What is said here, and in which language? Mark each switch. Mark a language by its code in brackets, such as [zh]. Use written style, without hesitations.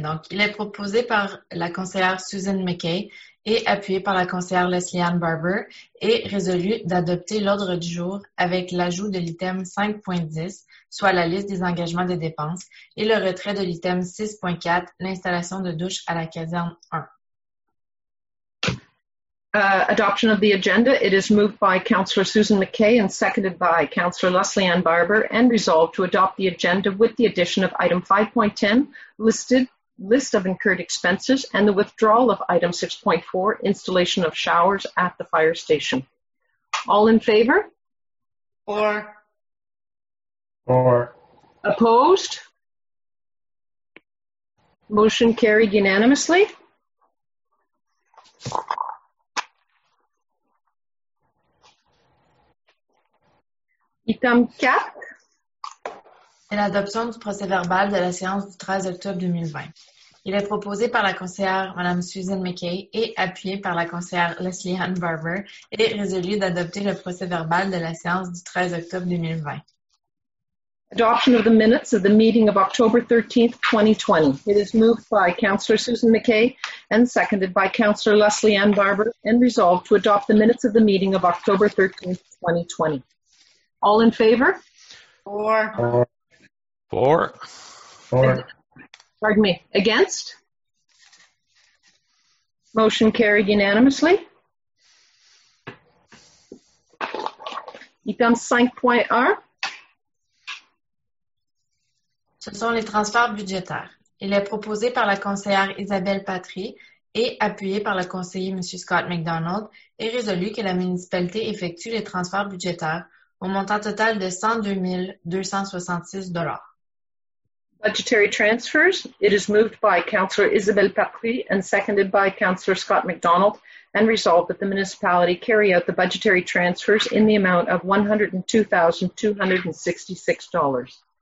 [fr] Donc, il est proposé par la conseillère Susan McKay et appuyé par la conseillère Leslie Ann Barber et résolu d'adopter l'ordre du jour avec l'ajout de l'item 5.10, soit la liste des engagements de dépenses, et le retrait de l'item 6.4, l'installation de douches à la caserne 1. [en] Adoption of the agenda. It is moved by Councillor Susan McKay and seconded by Councillor Leslie Ann Barber and resolved to adopt the agenda with the addition of item 5.10, list of incurred expenses, and the withdrawal of item 6.4, installation of showers at the fire station. All in favor? 4. 4. Opposed? Motion carried unanimously. Item 4. [fr] C'est l'adoption du procès-verbal de la séance du 13 octobre 2020. Il est proposé par la conseillère Mme Susan McKay et appuyé par la conseillère Leslie Ann Barber et résolu d'adopter le procès-verbal de la séance du 13 octobre 2020. [en] Adoption of the minutes of the meeting of October 13, 2020. It is moved by Councillor Susan McKay and seconded by Councillor Leslie Ann Barber and resolved to adopt the minutes of the meeting of October 13, 2020. All in favor? 4. 4. 4. Pardon me, against? Motion carried unanimously. Item 5.1. [fr] Ce sont les transferts budgétaires. Il est proposé par la conseillère Isabelle Patry et appuyé par le conseiller M. Scott McDonald, est résolu que la municipalité effectue les transferts budgétaires au montant total de 102 266 $. [en] Budgetary transfers. It is moved by Councillor Isabelle Parquet and seconded by Councillor Scott McDonald and resolved that the municipality carry out the budgetary transfers in the amount of $102,266.